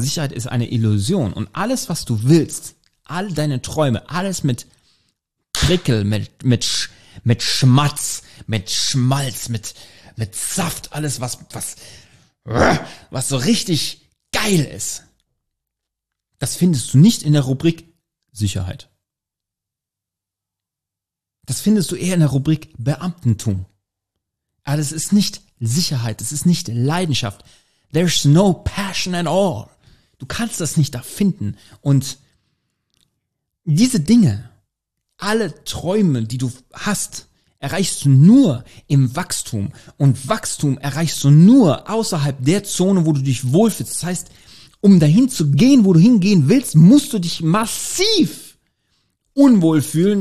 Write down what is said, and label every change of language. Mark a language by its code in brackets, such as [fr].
[de] Sicherheit ist eine Illusion. Und alles, was du willst, all deine Träume, alles mit Prickel, mit Schmatz, mit Schmalz, mit Saft, alles, was so richtig geil ist, das findest du nicht in der Rubrik Sicherheit. Das findest du eher in der Rubrik Beamtentum. Aber das ist nicht Sicherheit, das ist nicht Leidenschaft. [en] There's no passion at all. [de] Du kannst das nicht da finden. Und diese Dinge, alle Träume, die du hast, erreichst du nur im Wachstum. Und Wachstum erreichst du nur außerhalb der Zone, wo du dich wohlfühlst. Das heißt, um dahin zu gehen, wo du hingehen willst, musst du dich massiv unwohl fühlen.